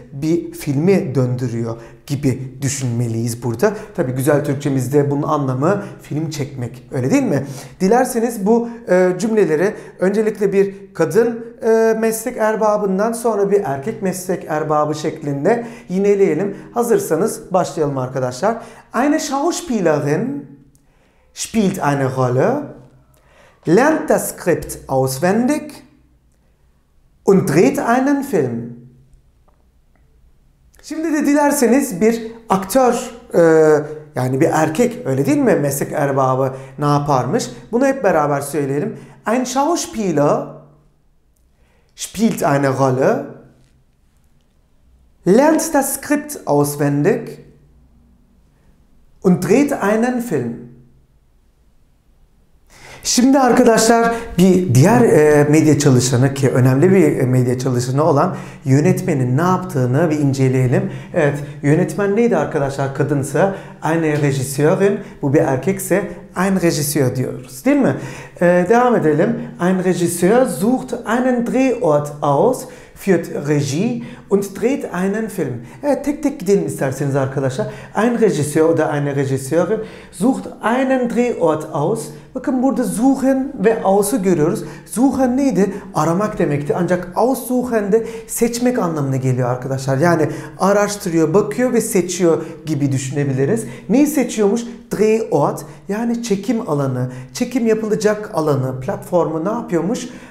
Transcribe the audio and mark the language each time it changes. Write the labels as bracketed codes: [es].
[tr] Bir filmi döndürüyor gibi düşünmeliyiz burada. Tabii güzel Türkçemizde bunun anlamı film çekmek, öyle değil mi? Dilerseniz bu cümleleri öncelikle bir kadın meslek erbabından sonra bir erkek meslek erbabı şeklinde yineleyelim. Hazırsanız başlayalım arkadaşlar. [de] Eine Schauspielerin spielt eine Rolle, lernt das Skript auswendig und dreht einen Film. [tr] Şimdi de dilerseniz bir aktör, yani bir erkek, öyle değil mi, meslek erbabı ne yaparmış? Bunu hep beraber söyleyelim. [de] Ein Schauspieler spielt eine Rolle, lernt das Skript auswendig und dreht einen Film. [tr] Şimdi arkadaşlar bir diğer medya çalışanı, ki önemli bir medya çalışanı olan yönetmenin ne yaptığını bir inceleyelim. Evet, yönetmen neydi arkadaşlar? Kadınsa eine Regisseurin, bu bir erkekse ein Regisseur diyoruz, değil mi? Devam edelim. [de] Ein Regisseur sucht einen Drehort aus, führt Regie und dreht einen Film. [tr] Evet, tek tek gidelim isterseniz arkadaşlar. [de] Ein Regisseur oder eine Regisseurin sucht einen Drehort aus. [tr] Bakın burada suchen ve aus'u görüyoruz. Suchen neydi? Aramak demekti. Ancak aussuchen de seçmek anlamına geliyor arkadaşlar. Yani araştırıyor, bakıyor ve seçiyor gibi düşünebiliriz. Neyi seçiyormuş? Drehort, yani çekim alanı, çekim yapılacak alanı, platformu ne yapıyormuş?